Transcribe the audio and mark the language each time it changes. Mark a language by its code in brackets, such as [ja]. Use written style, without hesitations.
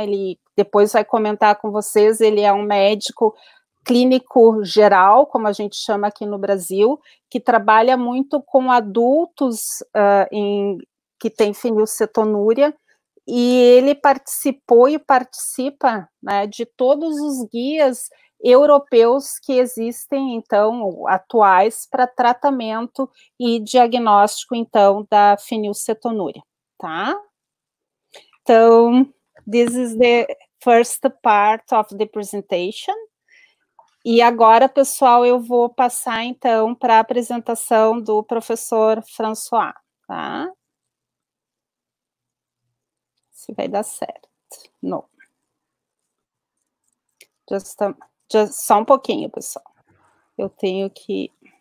[pt] Ele depois vai comentar com vocês, ele é um médico clínico geral, como a gente chama aqui no Brasil, que trabalha muito com adultos que têm fenilcetonúria, e ele participou e participa, né, de todos os guias europeus que existem, então, atuais para tratamento e diagnóstico, então, da fenilcetonúria, tá? [en] Então, this is the first part of the presentation. [pt] E agora, pessoal, eu vou passar, então, para a apresentação do professor François, tá? Se vai dar certo. Não. Só um pouquinho, pessoal. Eu tenho que...